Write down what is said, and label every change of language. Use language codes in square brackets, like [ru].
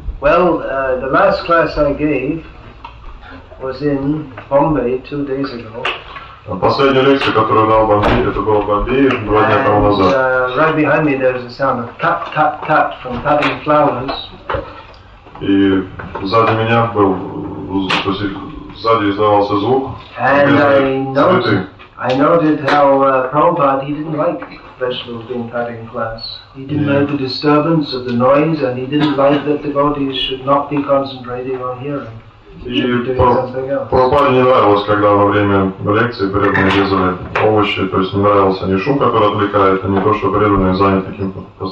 [en] Well, the last class I gave was in Bombay 2 days ago. [ru] Последняя лекция, которую дал Бомбей, это было в Бомбее два дня тому назад. [en] Right behind me there is a sound of tap, tap, tap from tapping flowers. [ru] И сзади меня был, сзади издавался звук. [en] And I noted how Prabhupada, he didn't like vegetables being cut in class. He didn't like the disturbance of the noise, and he didn't like that devotees should not be concentrating on hearing. [ru] И Прабхупаде не нравилось, когда во время лекции преданные резали овощи, то есть не нравился ни шум, который отвлекает, а не то, что преданные заняты каким-то